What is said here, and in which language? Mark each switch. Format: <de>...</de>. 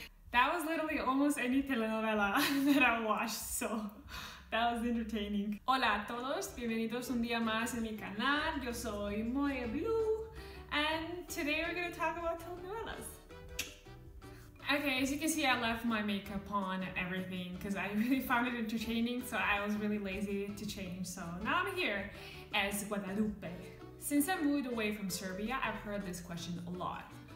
<en>That was literally almost any telenovela that I watched, so that was entertaining.</en> <es>Hola a todos, bienvenidos un día más en mi canal. Yo soy</es> <en>Moe Blue, and today we're going to talk about telenovelas. Okay, as you can see, I left my makeup on and everything because I really found it entertaining, so I was really lazy to change. So now I'm here as Guadalupe. Since I moved away from Serbia, I've heard this question a lot.</en>